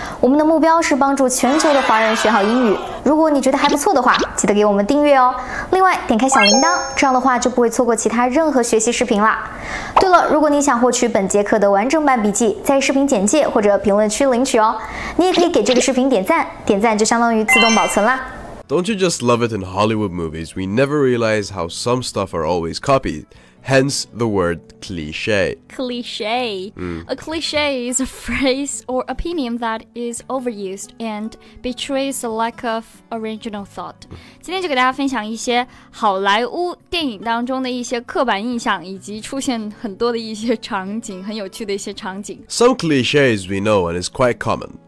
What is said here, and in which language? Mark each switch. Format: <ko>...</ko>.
<zh>我们的目标是帮助全球的华人学好英语。如果你觉得还不错的话，记得给我们订阅哦。另外，点开小铃铛，这样的话就不会错过其他任何学习视频啦。对了，如果你想获取本节课的完整版笔记，在视频简介或者评论区领取哦。你也可以给这个视频点赞，点赞就相当于自动保存啦。</zh> <en>Don't you just love it in Hollywood movies? We never realize how some stuff are always copied. Hence the word cliché. Cliché. A cliché is a phrase or opinion that is overused and betrays a lack of original thought.</en> <zh>今天就给大家分享一些好莱坞电影当中的一些刻板印象以及出现很多的一些场景，很有趣的一些场景。</zh> <en>Some clichés we know and it's quite common.</en>